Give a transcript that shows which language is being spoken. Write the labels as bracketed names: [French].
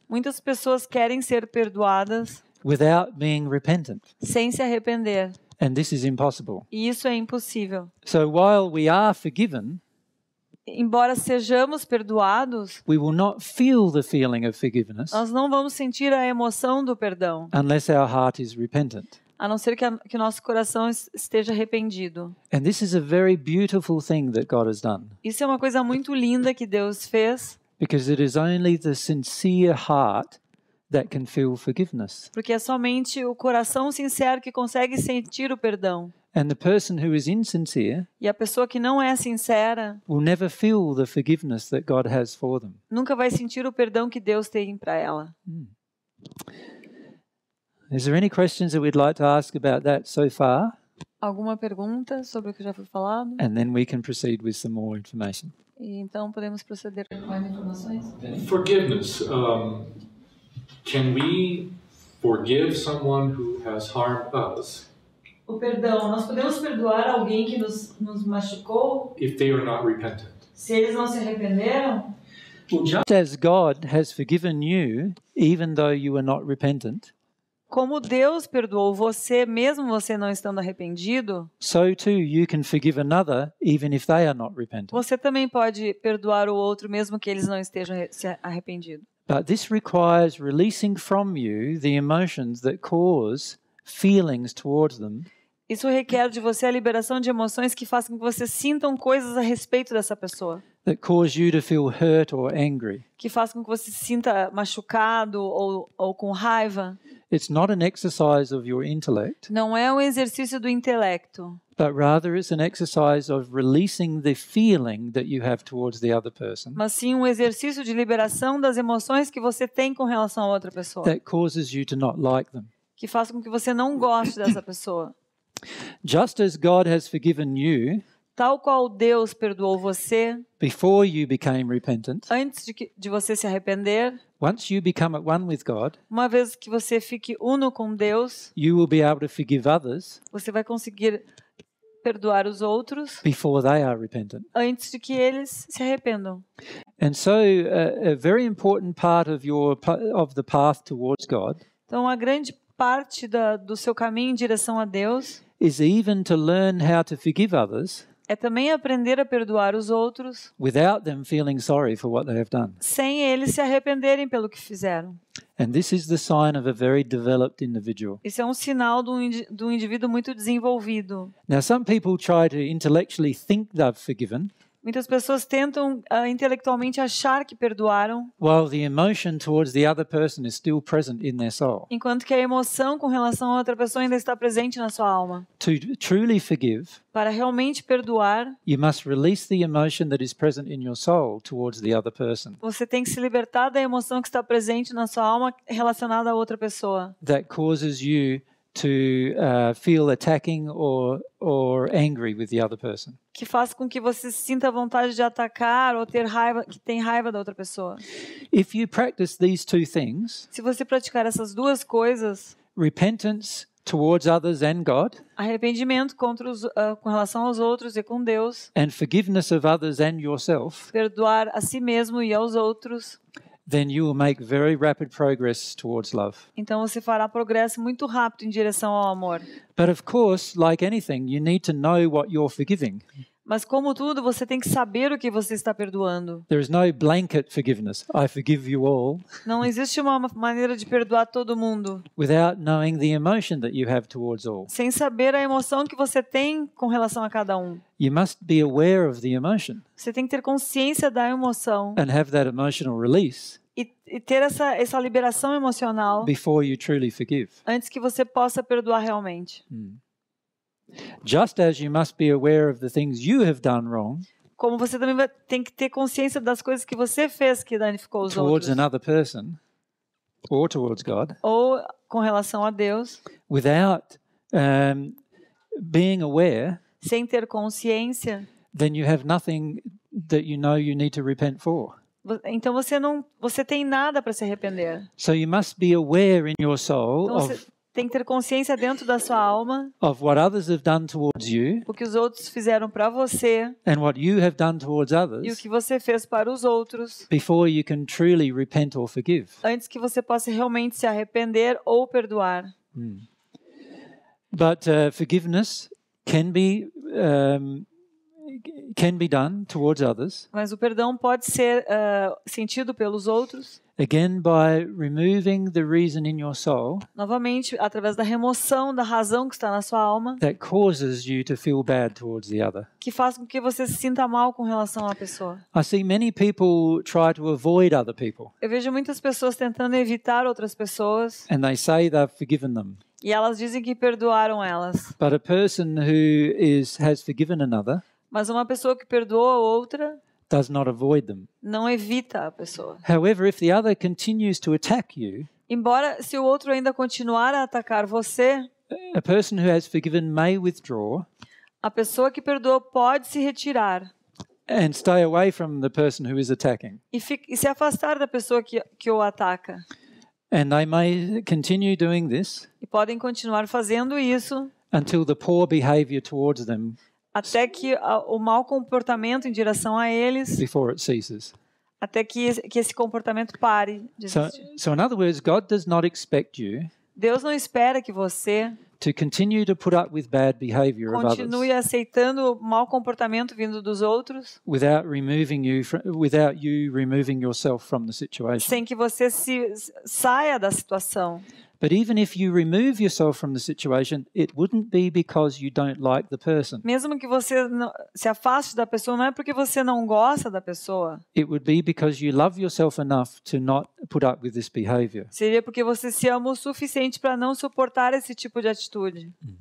[Portuguese] Muitas pessoas querem ser perdoadas. [English] Without being repentant. [Portuguese] Sem se arrepender. [English] And this is impossible. [Portuguese] E isso é impossível. [English] So while we are forgiven, [Portuguese] embora sejamos perdoados, [English] we will not feel the feeling of forgiveness. [Portuguese] Nós não vamos sentir a emoção do perdão. [English] Unless our heart is repentant. [Portuguese] A não ser que o nosso coração esteja arrependido. [English] And this is a very beautiful thing that God has done. [Portuguese] Isso é uma coisa muito linda que Deus fez. [English] Because it is only the sincere heart that can feel forgiveness. [Portuguese] Porque é somente o coração sincero que consegue sentir o perdão. [English] And the person who is insincere, [Portuguese] e a pessoa que não é sincera, [English] will never feel the forgiveness that God has for them. [Portuguese] Nunca vai sentir o perdão que Deus tem para ela. [English] Is there any questions that we'd like to ask about that so far? [Portuguese] Alguma pergunta sobre o que já foi falado? [English] And then we can proceed with some more information. [Portuguese] E então podemos proceder com mais informações? [English] Forgiveness. Can we forgive someone who has harmed us? [Portuguese] O perdão. Nós podemos perdoar alguém que nos machucou? [English] If they are not repentant. [Portuguese] Se eles não se arrependeram? [English] Just as God has forgiven you, even though you are not repentant. [Portuguese] Como Deus perdoou você, mesmo você não estando arrependido, [English] so too you can forgive another, even if they are not repentant. [Portuguese] Você também pode perdoar o outro, mesmo que eles não estejam se arrependido. [English] But this requires releasing from you the emotions that cause feelings towards them. [Portuguese] Isso requer de você a liberação de emoções que fazem com que você sintam coisas a respeito dessa pessoa. [English] That cause you to feel hurt or angry. [Portuguese] Que faz com que você se sinta machucado ou com raiva. [English] It's not an exercise of your intellect. [Portuguese] Não é um exercício do intelecto. [English] But rather it's an exercise of releasing the feeling that you have towards the other person. [Portuguese] Mas sim um exercício de liberação das emoções que você tem com relação a outra pessoa. [English] That causes you to not like them. [Portuguese] Que faz com que você não goste dessa pessoa. [English] Just as God has forgiven you, [Portuguese] tal qual Deus perdoou você, [English] before you became repentant, [Portuguese] antes de você se arrepender, [English] once you become at one with God, [Portuguese] uma vez que você fique uno com Deus, [English] you will be able to forgive others, [Portuguese] você vai conseguir perdoar os outros, [English] before they are repentant, [Portuguese] antes de que eles se arrependam. [English] And so a very important part of the path towards God, [Portuguese] então a grande parte do seu caminho em direção a Deus, [English] is even to learn how to forgive others. [Portuguese] É também aprender a perdoar os outros [English] without them feeling sorry for what they have done. [Portuguese] Sem eles se arrependerem pelo que fizeram. [English] And this is the sign of a very developed individual. [Portuguese] Isso é um sinal de um indivíduo muito desenvolvido. [English] Now, some people try to intellectually think they've forgiven. [Portuguese] Muitas pessoas tentam intelectualmente achar que perdoaram. [English] While the emotion towards the other person is still present in their soul. [Portuguese] Enquanto que a emoção com relação a outra pessoa ainda está presente na sua alma. [English] To truly forgive. [Portuguese] Para realmente perdoar. [English] You must release the emotion that is present in your soul towards the other person. [Portuguese] Você tem que se libertar da emoção que está presente na sua alma relacionada a outra pessoa. [English] That causes you to feel attacking or angry with the other person. [Portuguese] Que faz com que você sinta vontade de atacar ou ter raiva, que tem raiva da outra pessoa. [English] If you practice these two things, [Portuguese] se você praticar essas duas coisas, [English] repentance towards others and God, [Portuguese] arrependimento contra os com relação aos outros e com Deus, [English] and forgiveness of others and yourself, [Portuguese] perdoar a si mesmo e aos outros, [English] then you will make very rapid progress towards love. [Portuguese] Então você fará progresso muito rápido em direção ao amor. [English] But of course, like anything, you need to know what you're forgiving. [Portuguese] Mas como tudo, você tem que saber o que você está perdoando. [English] There is no blanket forgiveness. I forgive you all. [Portuguese] Não existe uma maneira de perdoar todo mundo. [English] Without knowing the emotion that you have towards all. [Portuguese] Sem saber a emoção que você tem com relação a cada um. [English] You must be aware of the emotion. [Portuguese] Você tem que ter consciência da emoção. [English] And have that emotional release. [Portuguese] E ter essa liberação emocional. [English] Before you truly forgive. [Portuguese] Antes que você possa perdoar realmente. [English] Just as you must be aware of the things you have done wrong. [Portuguese] Como você também tem que ter consciência das coisas que você fez que danificou os outros. [English] Towards another person or towards God. [Portuguese] Ou com relação a Deus. [English] Without being aware. [Portuguese] Sem ter consciência. [English] Then you have nothing that you know you need to repent for. [Portuguese] Então você tem nada para se arrepender. [English] So you must be aware in your soul of. [Portuguese] Tem que ter consciência dentro da sua alma [English] of what others have done towards you, [Portuguese] o que os outros fizeram para você [English] and what you have done towards others, [Portuguese] e o que você fez para os outros [English] before you can truly repent or forgive. [Portuguese] Antes que você possa realmente se arrepender ou perdoar. [English] But forgiveness can be can be done towards others. [Portuguese] Mas o perdão pode ser sentido pelos outros. [English] Again, by removing the reason in your soul. [Portuguese] Novamente, através da remoção da razão que está na sua alma. [English] That causes you to feel bad towards the other. [Portuguese] Que faz com que você se sinta mal com relação à pessoa. [English] I see many people try to avoid other people. [Portuguese] Eu vejo muitas pessoas tentando evitar outras pessoas. [English] And they say they've forgiven them. [Portuguese] E elas dizem que perdoaram elas. [English] But a person who is has forgiven another. [Portuguese] Mas uma pessoa que perdoou a outra. [English] Does not avoid them. [Portuguese] Não evita a pessoa. [English] However, if the other continues to attack you, [Portuguese] embora se o outro ainda continuar a atacar você, [English] a person who has forgiven may withdraw. [Portuguese] A pessoa que perdoou pode se retirar. [English] And stay away from the person who is attacking. [Portuguese] E se afastar da pessoa que o ataca. [English] And they may continue doing this. [Portuguese] E podem continuar fazendo isso. [English] Until the poor behavior towards them. [Portuguese] Até que o mau comportamento em direção a eles. [English] Before it ceases. [Portuguese] Até que esse comportamento pare de existir. [English] So in other words, God does not expect you. [Portuguese] Deus não espera que você. [English] To continue to put up with bad behavior of others. [Portuguese] Continue aceitando o mau comportamento vindo dos outros. [English] Without you removing yourself from the situation. [Portuguese] Sem que você se saia da situação. [English] But even if you remove yourself from the situation, it wouldn't be because you don't like the person. [Portuguese] Mesmo que você se afaste da pessoa, não é porque você não gosta da pessoa. [English] It would be because you love yourself enough to not put up with this behavior. [Portuguese] Seria porque você se ama o suficiente para não suportar esse tipo de atitude.